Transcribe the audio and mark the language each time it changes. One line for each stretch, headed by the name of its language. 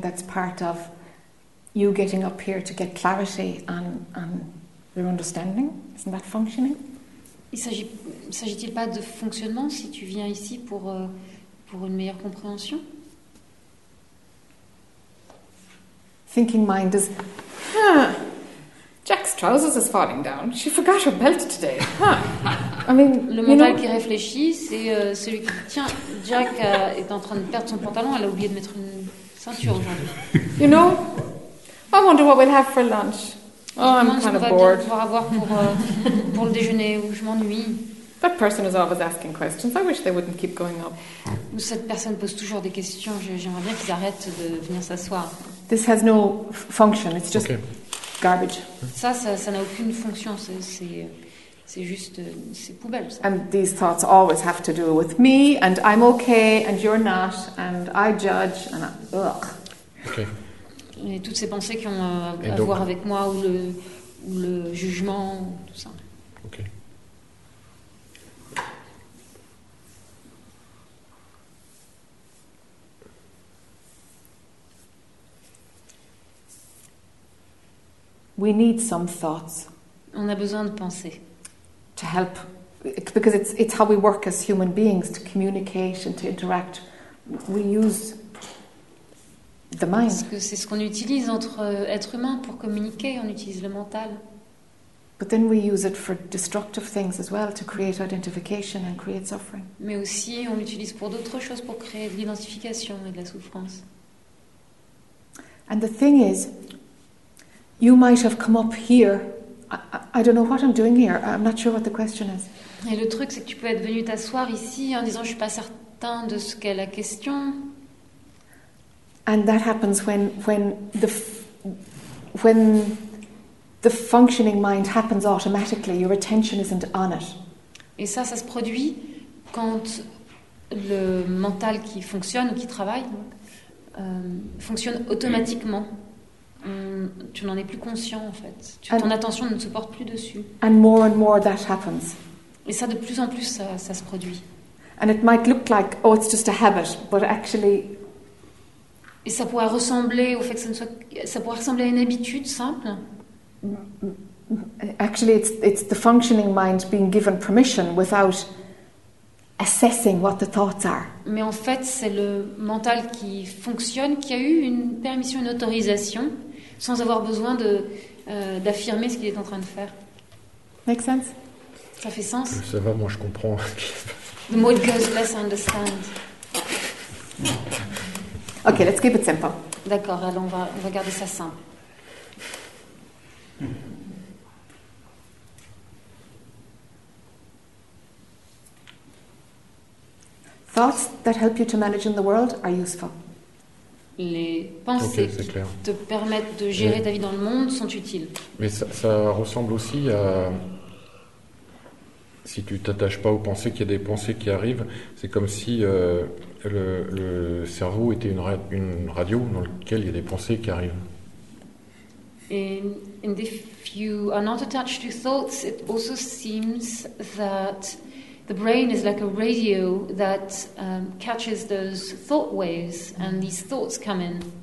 English: That's part of you getting up here to get clarity on your understanding? Isn't that functioning?
French: S'agit-il pas de fonctionnement si tu viens ici pour une meilleure compréhension?
English: Thinking mind is, Jack's trousers is falling down. She forgot her belt today. Huh. I mean,
French: le mental,
English: you know,
French: qui réfléchit, c'est celui qui tient. Jack est en train de perdre son pantalon. Elle a oublié de mettre une ceinture aujourd'hui.
English: You know? I wonder what we'll have for lunch. Oh, I'm kind of bored.
French: Bien avoir pour le déjeuner, où je m'ennuie.
English: That person is always asking questions. I wish they wouldn't keep going up.
French: Cette personne pose toujours des questions. J'aimerais bien qu'ils arrêtent de venir s'asseoir.
English: This has no function. It's just okay. Garbage.
French: Ça n'a aucune fonction. C'est juste, c'est poubelle. Ça.
English: And these thoughts always have to do with me, and I'm okay, and you're not, and I judge, and ugh. Okay.
French: Et toutes ces pensées qui ont à voir avec moi ou le jugement, tout ça. Ok.
English: We need some thoughts.
French: On a besoin de pensées.
English: To help, because it's how we work as human beings, to communicate and to interact. We use the mind.
French: Parce que c'est ce qu'on utilise entre êtres humains pour communiquer, on utilise le mental.
English: But then we use it for destructive things as well, to create identification and create suffering.
French: Mais aussi on l'utilise pour d'autres choses, pour créer de l'identification et de la souffrance.
English: And the thing is, you might have come up here. I don't know what I'm doing here. I'm not sure what the question is.
French: Et le truc, c'est que tu peux être venu t'asseoir ici en disant je suis pas certain de ce qu'est la question.
English: And that happens when the functioning mind happens automatically. Your attention isn't on it.
French: Et ça se produit quand le mental qui fonctionne ou qui travaille fonctionne automatiquement. Tu n'en es plus conscient en fait. Ton attention ne se porte plus dessus.
English: And more that happens.
French: Et ça de plus en plus ça se produit.
English: And it might look like oh it's just a habit, but actually.
French: Et ça pourrait ressembler au fait que ça pourrait ressembler à une habitude simple.
English: Actually, it's the functioning mind being given permission without assessing what the thoughts are.
French: Mais en fait, c'est le mental qui fonctionne, qui a eu une permission, une autorisation, sans avoir besoin d'affirmer ce qu'il est en train de faire.
English: Makes sense?
French: Ça fait sens? Ça va, moi je comprends.
English: The more it goes, less I understand. Okay, let's keep it simple.
French: D'accord, alors on va garder ça simple.
English: Thoughts that help you to manage in the world are useful.
French: Les pensées qui te permettent de gérer ta vie dans le monde sont utiles. Mais ça ressemble aussi à si tu t'attaches pas aux pensées, qu'il y a des pensées qui arrivent, c'est comme si le cerveau était une radio dans laquelle il y a des pensées qui arrivent.
English: And if you are not attached to thoughts, it also seems that the brain is like a radio that catches those thought waves and these thoughts come in.